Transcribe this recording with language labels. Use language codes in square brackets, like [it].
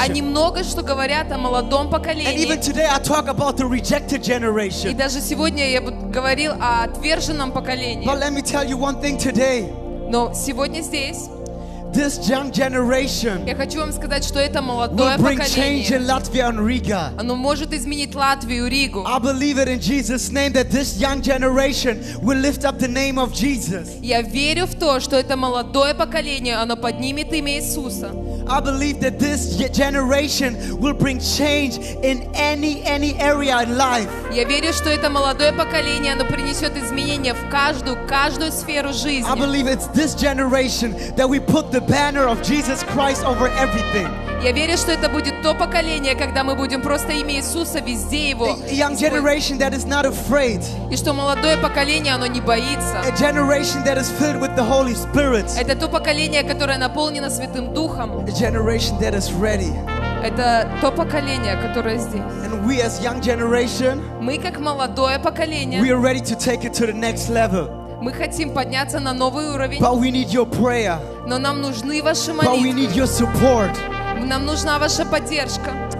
[ru] Они много что говорят о молодом поколении. [en] And even today I talk about the rejected generation. [ru] И даже сегодня я говорил о отверженном поколении. [en] But let me tell you one thing today. [ru] Но сегодня здесь. [en] This young generation. [ru] Я хочу вам сказать, что это молодое поколение. Оно может изменить Латвию и Ригу. [en] I believe it in Jesus' name that this young generation will lift up the name of Jesus. [ru] Я верю в то, что это молодое поколение, оно поднимет имя Иисуса. [en] I believe that this generation will bring change in any area in life. [ru] Я верю, что это молодое поколение, оно принесет изменения в каждую сферу жизни. [en] I believe it's this generation that we put the banner of Jesus Christ over everything. [ru] Я верю, что это будет то поколение, когда мы будем просто имя Иисуса везде его. [en] A young generation that is not afraid. [ru] И что молодое поколение, оно не боится. [en] A generation that is filled with the Holy Spirit. [ru] Это то поколение, которое наполнено Святым Духом. [en] A generation that is ready. [ru] Это то поколение, которое здесь. [en] And we as young generation. [ru] Мы как молодое поколение. [en] We are ready to take it to the next level. [ru] Мы хотим подняться на новый уровень. [en] But we need your prayer. [ru] Но нам нужны ваши молитвы. [en] But we need your support. [ru] Нам нужна ваша поддержка.